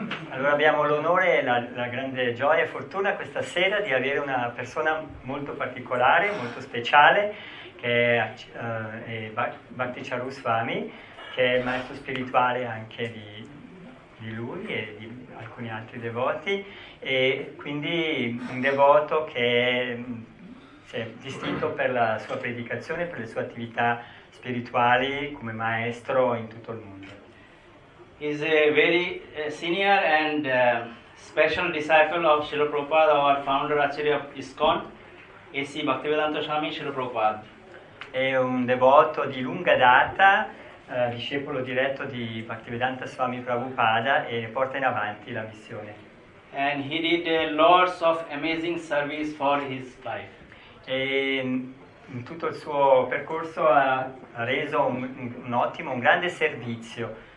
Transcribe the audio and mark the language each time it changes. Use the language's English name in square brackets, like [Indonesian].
[Italian] Allora abbiamo l'onore e la grande gioia e fortuna questa sera di avere una persona molto particolare, molto speciale, che è Bhakti Charu Swami, che è il maestro spirituale anche di lui e di alcuni altri devoti, e quindi un devoto che si è distinto per la sua predicazione, per le sue attività spirituali come maestro in tutto il mondo. [English] Is a very senior and special disciple of Srila Prabhupada, our founder Acharya of ISKCON, A.C. Bhaktivedanta Swami Srila Prabhupada. [Italian] È un devoto di lunga data, discepolo diretto di Bhaktivedanta Swami Prabhupada, e porta in avanti la missione. [English] And he did lots of amazing service for his life. [Italian] E in tutto il suo percorso ha reso un ottimo, un grande servizio.